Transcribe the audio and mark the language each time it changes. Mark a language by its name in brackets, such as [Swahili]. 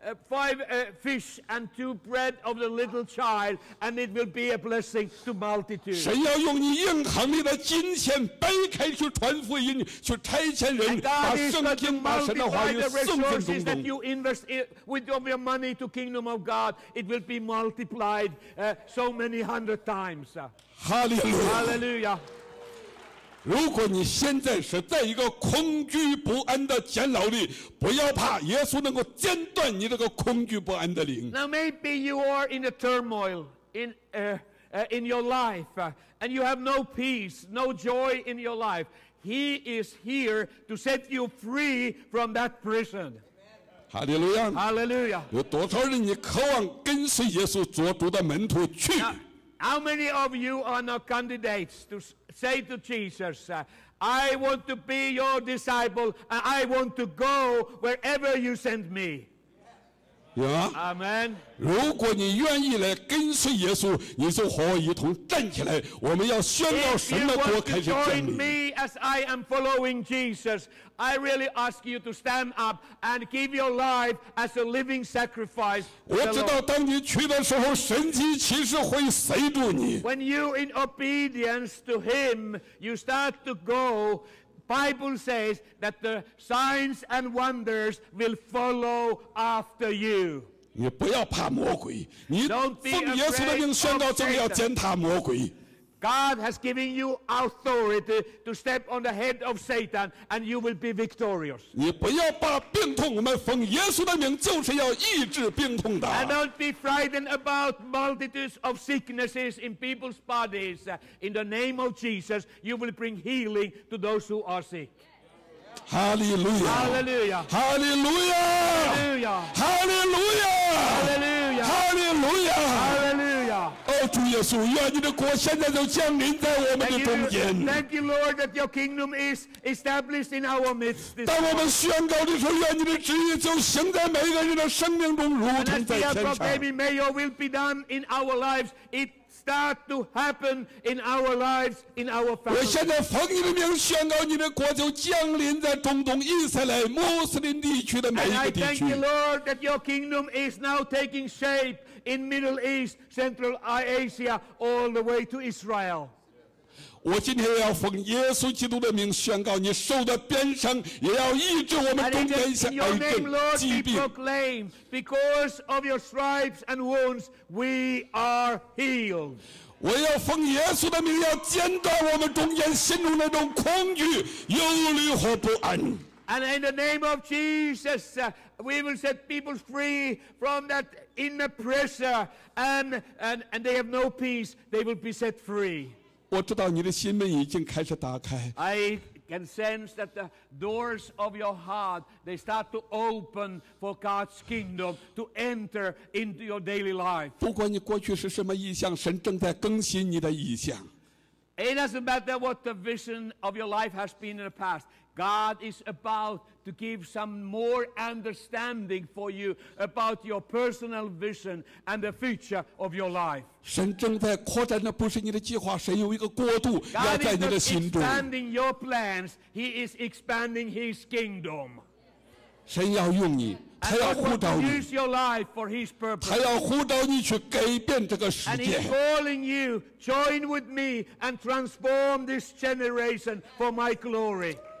[English] Five fish and two bread of the little child, and it will be a blessing to multitudes. [Chinese] 神要用你银行里的金钱掰开去传福音，去差遣人，把圣经、把神的话语送进中东。 [English] And God is that you invest with your money to kingdom of God, it will be multiplied so many hundred times. Hallelujah. Hallelujah. [Chinese] 如果你现在是在一个恐惧不安的监牢里，不要怕，耶稣能够剪断你这个恐惧不安的灵。 [English] Now maybe you are in a turmoil in your life, and you have no peace, no joy in your life. He is here to set you free from that prison. Hallelujah. Hallelujah. [Chinese] 有多少人你渴望跟随耶稣做主的门徒去？ [English] Now, how many of you are not candidates to say to Jesus, I want to be your disciple, and I want to go wherever you send me. Yeah. Amen. [Chinese] 如果你愿意来跟随耶稣，你就和我一同站起来，我们要宣告神的国开始降临。 [English] If you want to join me as I am following Jesus, I really ask you to stand up and give your life as a living sacrifice. [Chinese] 我知道当你去的时候，神迹其实会随住你。 [English] When you in obedience to him, you start to go, Bible says that the signs and wonders will follow after you. [Chinese] 你不要怕魔鬼，你奉耶稣的命宣告，正要践踏魔鬼。 [English] God has given you authority to step on the head of Satan, and you will be victorious. [Chinese] 你不要怕病痛，我们奉耶稣的名就是要医治病痛的。 [English] And don't be frightened about multitudes of sicknesses in people's bodies. In the name of Jesus, you will bring healing to those who are sick. Hallelujah! Hallelujah! Hallelujah! Hallelujah! Hallelujah! Hallelujah! Hallelujah! [Chinese] Oh, 主耶稣，愿你的国现在就降临在我们的中间。 [English] Thank you, Lord, that your kingdom is established in our midst. [Chinese] 当我们宣告的时候，愿你的旨意就行在每个人的生命中，如同在天上。 [English] And as we are proclaiming, may your will be done in our lives. It start to happen in our lives, in our families. [Chinese] 我现在奉你的名宣告，你的国就降临在中东、以色列、穆斯林地区的每一个地区。 [English] And I thank you, Lord, that your kingdom is now taking shape. In Middle East, Central Asia, all the way to Israel. [Chinese] 我今天要奉耶稣基督的名宣告，你受的鞭伤也要医治我们中间一些癌症、疾病。 [English] And in your name, Lord, be proclaimed, because of your stripes and wounds, we are healed. [Chinese] 我要奉耶稣的名，要剪断我们中间心中那种恐惧、忧虑和不安。 [English] And in the name of Jesus, we will set people free from that inner pressure, and they have no peace. They will be set free. [Chinese] 我知道你的心门已经开始打开。 [English] I can sense that the doors of your heart they start to open for God's kingdom to enter into your daily life. [Chinese] 不管你过去是什么意向，神正在更新你的意向。 [English] It doesn't matter what the vision of your life has been in the past. God is about to give some more understanding for you about your personal vision and the future of your life. [Chinese] 神正在扩展的不是你的计划，神有一个国度要在你的心中。 [English] God is expanding your plans. He is expanding His kingdom. [Chinese] 神要用你，他要呼召你。 [English] And He wants to use your life for His purpose. [Chinese] 他要呼召你去改变这个世界。 [English] And He's calling you, join with me and transform this generation for My glory.